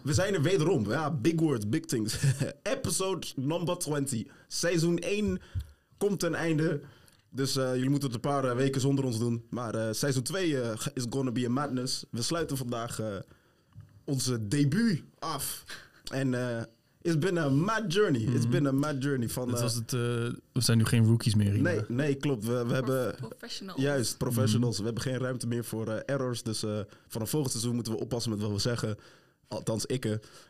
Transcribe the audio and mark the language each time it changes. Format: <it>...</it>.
<nl>We zijn er wederom.</nl> <en>Ja, big words, big things. Episode number 20.</en> <nl>Seizoen 1 komt ten einde. Dus jullie moeten het een paar weken zonder ons doen. Maar seizoen 2</nl> <en>is gonna be a madness.</en> <nl>We sluiten vandaag onze debuut af.</nl> <en>En it's been a mad journey. Mm-hmm. It's been a mad journey.</en> <nl>We zijn nu geen rookies meer. Nee, nee, klopt. We hebben... Professionals. Juist, professionals. Mm-hmm. We hebben geen ruimte meer voor errors. Dus van een volgend seizoen moeten we oppassen met wat we zeggen. Althans, ikke.</nl>